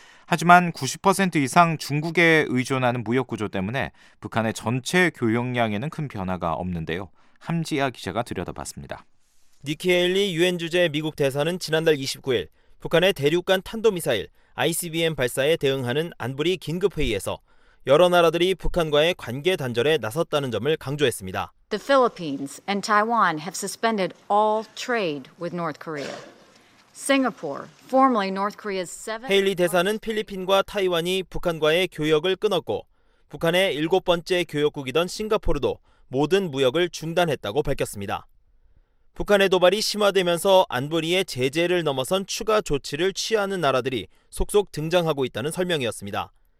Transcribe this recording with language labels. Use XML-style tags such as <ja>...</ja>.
<ko>하지만 90% 이상 중국에 의존하는 무역 구조 때문에 북한의 전체 교역량에는 큰 변화가 없는데요. 함지아 기자가 들여다봤습니다. 니키 헤일리 유엔 주재 미국 대사는 지난달 29일 북한의 대륙간 탄도미사일 ICBM 발사에 대응하는 안보리 긴급회의에서 여러 나라들이 북한과의 관계 단절에 나섰다는 점을 강조했습니다.</ko> <en>The Philippines and Taiwan have suspended all trade with North Korea. Singapore, formerly North Korea's seven.</en> <ko>헤일리 대사는 필리핀과 타이완이 북한과의 교역을 끊었고 북한의 일곱 번째 교역국이던 싱가포르도 모든 무역을 중단했다고 밝혔습니다. 북한의 도발이 심화되면서 안보리의 제재를 넘어선 추가 조치를 취하는 나라들이 속속 등장하고 있다는 설명이었습니다.</ko>